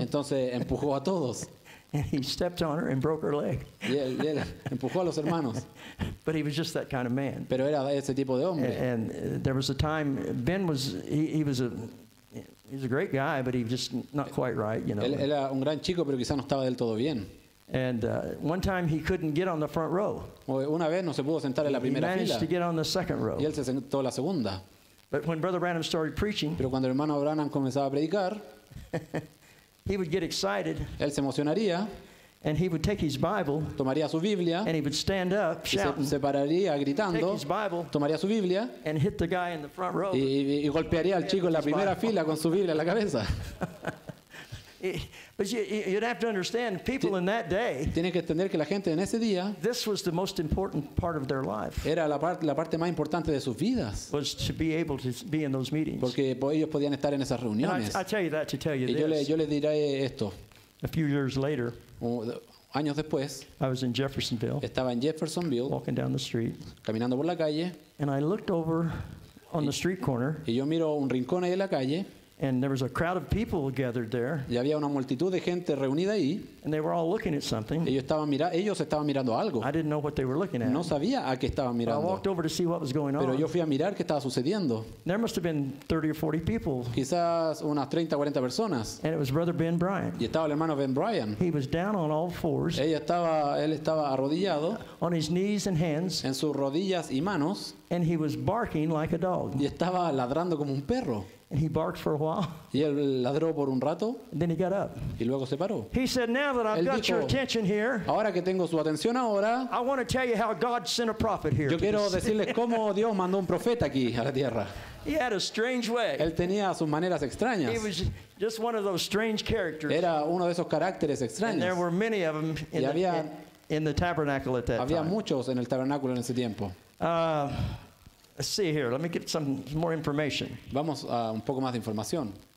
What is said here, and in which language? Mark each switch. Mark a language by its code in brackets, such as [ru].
[es] Entonces empujó a todos. [en] And he stepped on her and broke her leg. [es] Él empujó a los hermanos. [en] But he was just that kind of man. [es] Pero era ese tipo de hombre. [en] And there was a time Ben was he was a great guy, but he was just not quite right, you know. [es] Él era un gran chico, pero quizá no estaba del todo bien. [en] And one time he couldn't get on the front row. [es] Una vez no se pudo sentar en la primera fila. [en] He managed to get on the second row. [es] Y él se sentó en la segunda. [en] But when Brother Branham started preaching, [es] pero cuando el hermano Branham comenzaba a predicar, [en] he would get excited. [es] Él se emocionaría. [en] And he would take his Bible. [es] Tomaría su Biblia. [en] And he would stand up, shouting. [es] Se pararía gritando. [en] Take his Bible. [es] Tomaría su Biblia. [en] And hit the guy in the front row. [es] Y golpearía al chico en la primera fila con su Biblia en la cabeza. [en] But you'd have to understand, people in that day. [es] Tiene que entender que la gente en ese día. [en] This was the most important part of their life. [es] Era la parte más importante de sus vidas. [en] Was to be able to be in those meetings. [es] Porque ellos podían estar en esas reuniones. [en] I tell you that to tell you this. [es] Y yo le diré esto. [en] A few years later. [es] Años después. [en] I was in Jeffersonville. [es] Estaba en Jeffersonville. [en] Walking down the street. [es] Caminando por la calle. [en] And I looked over on the street corner. [es] Y yo miro un rincón ahí de la calle. [en] And there was a crowd of people gathered there. [es] Y había una multitud de gente reunida ahí. [en] And they were all looking at something. [es] Ellos estaban mirando algo. [en] I didn't know what they were looking at. [es] No sabía a qué estaban mirando. [en] But I walked over to see what was going on. [es] Pero yo fui a mirar qué estaba sucediendo. [en] There must have been 30 or 40 people. [es] Quizás unas 30 o 40 personas. [en] And it was Brother Ben Bryant. [es] Y estaba el hermano Ben Bryant. [en] He was down on all fours. [es] Él estaba arrodillado. [en] On his knees and hands. [es] En sus rodillas y manos. [en] And he was barking like a dog. [es] Y estaba ladrando como un perro. [en] And he barked for a while. [es] Y él ladró por un rato. [en] And then he got up. [es] Y luego se paró. [en] He said, "Now that I've [es] él [en] got [es] dijo, [en] your attention here, [es] ahora que tengo su atención ahora, [en] I want to tell you how God sent a prophet here. [es] Yo quiero decirles cómo Dios mandó un profeta aquí a la tierra." [en] He had a strange way. [es] Él tenía sus maneras extrañas. [en] He was just one of those strange characters. [es] Era uno de esos caracteres extraños. [en] And there were many of them in the tabernacle at that [es] había [en] time. [es] Muchos en el tabernáculo en ese tiempo. [en] Let's see here. Let me get some more information. [es] Vamos a un poco más de información.